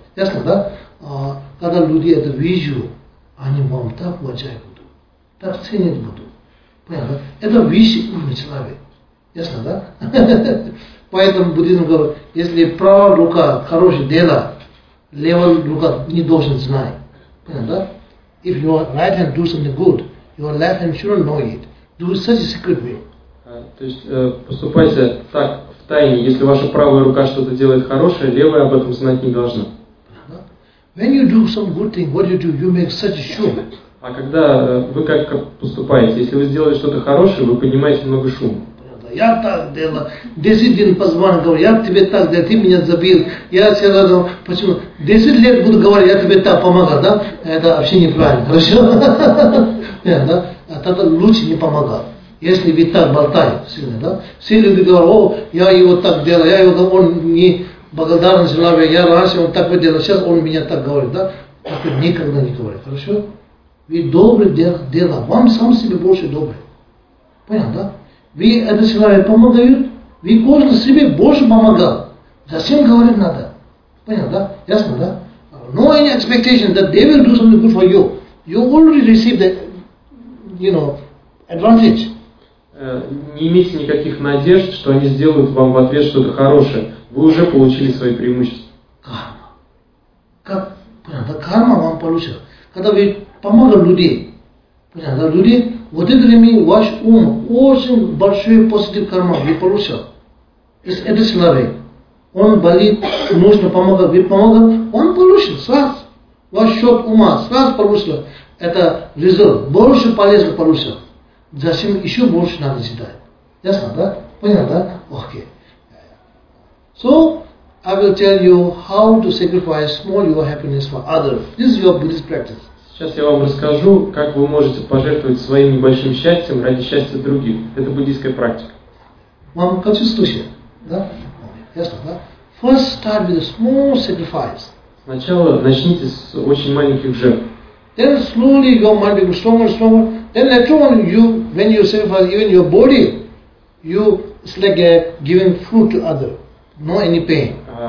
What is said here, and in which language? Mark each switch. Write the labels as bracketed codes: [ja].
[ru] Ясно, да? Когда люди это вижу, они вам так уважают будут. Так ценят будут. Понятно? Это вещи умный человек. Ясно, да? Поэтому буддизм говорит, если правая рука хорошее дело, левая рука не должен знать. Понятно, да? [en] If your right hand do something good, your left hand shouldn't know it. Do it such a secret way. [ru] То есть поступайте так в тайне. Если ваша правая рука что-то делает хорошее, левая об этом знать не должна. [en] When you do some good thing, what you do? You make such a show. [ru] А когда вы как поступаете? Если вы сделали что-то хорошее, вы поднимаете много шума. Я так делаю. 10 дней позвонил, говорю, я тебе так делаю, ты меня забил. Я всегда думал, почему? 10 лет буду говорить, я тебе так помогал, да? Это вообще неправильно, хорошо? Это лучше не помогал. Если вы так болтаете сильно, да? Все люди говорят, о, я его так делаю, я его говорю, он не благодарен человек, я раньше он так делал, сейчас он меня так говорит, да? Так никогда не говорит, хорошо? Вы добрый дело, вам сам себе больше добрый. Понятно, да? Вы этот человек помогают, вы каждый себе больше помогал. Зачем говорить надо? Понял, да? Ясно, да? [en] No any expectation that they will do something good for you. You already received the, you know, advantage. [ru] Не имейте никаких надежд, что они сделают вам в ответ что-то хорошее. Вы уже получили свои преимущества. Карма. Как? Понял, да? Карма вам получила. Когда вы помогали людей, понял, да? Люди, вот это время ваш ум очень большой позитив карма, вы получили. Если это человек, он болит, нужно помогать, вы помогали, он получил сразу. Ваш счет ума сразу получил. Это результат, больше полезно получил. Зачем еще больше надо читать? Ясно, да? Понятно, да? Окей. [en] So, I will tell you how to sacrifice small your happiness for others. This is your Buddhist practice. [ru] Сейчас я вам расскажу, как вы можете пожертвовать своим небольшим счастьем ради счастья других. Это буддийская практика. Вам хочу слушать, да? Ясно, да? [en] First start with a small sacrifice. [ru] Сначала начните с очень маленьких жертв. [en] Then slowly your mind becomes stronger and stronger. Then later on, you, when you sacrifice even your body, you, it's like a giving fruit to other, no any pain.